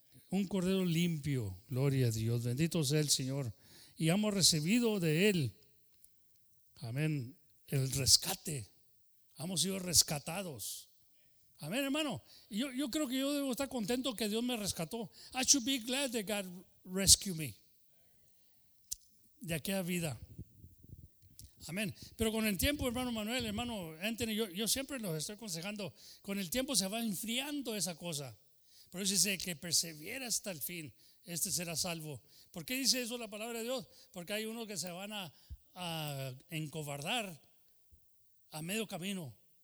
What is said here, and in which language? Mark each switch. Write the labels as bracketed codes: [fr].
[es] Un cordero limpio, gloria a Dios, bendito sea el Señor. Y hemos recibido de Él, amén, el rescate. Hemos sido rescatados. Amén, hermano. Yo creo que yo debo estar contento que Dios me rescató. [en] I should be glad that God rescued me. [es] De aquella vida. Amén. Pero con el tiempo, hermano Manuel, hermano Anthony, yo siempre los estoy aconsejando. Con el tiempo se va enfriando esa cosa. Pero dice que persevera hasta el fin, este será salvo. ¿Por qué dice eso la palabra de Dios? Porque hay unos que se van a encobardar a medio camino.